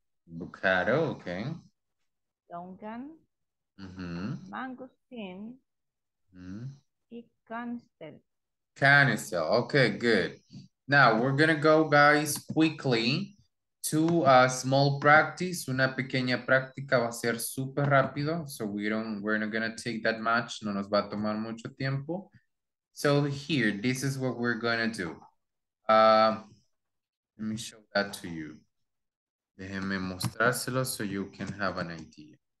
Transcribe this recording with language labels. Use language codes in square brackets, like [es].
[en] Avocado, okay. Duncan. Mangosteen. Canister. Canister. Okay, good. Now we're gonna go, guys, quickly to a small practice. [es] Una pequeña práctica va a ser super rápido. [en] So we're not gonna take that much. [es] No nos va a tomar mucho tiempo. [en] So here, this is what we're gonna do. Let me show that to you. [es] Déjeme mostrárselo [en] so you can have an idea.